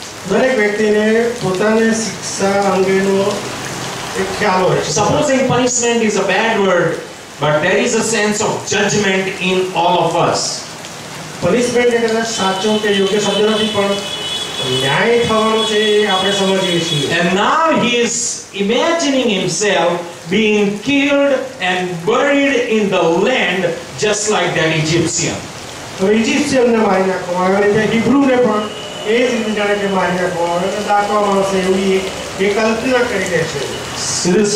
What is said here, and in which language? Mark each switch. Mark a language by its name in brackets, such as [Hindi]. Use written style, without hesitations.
[Gujarati] દરેક વ્યક્તિને પોતાને શિક્ષા અંગેનો એક ખ્યાલ હોય. [English] Supposing punishment is a bad word, but there is a sense of judgment in all of us. [Gujarati] Punishment એટલે સાચો કે યોગ્ય શબ્દ નથી, પણ ન્યાય થવાનો છે એ આપણે સમજીએ છીએ. [English] And now he is imagining himself being killed and buried in the land just like that Egyptian. [Gujarati] ઇજિપ્શિયનને મારી નાખવામાં આવે છે, હિબ્રુને પણ એ જ રીતે જાણે કે મારી નાખવામાં આવે છે, દાખવામાં આવશે એવી એ કલ્પના કરી દે છે.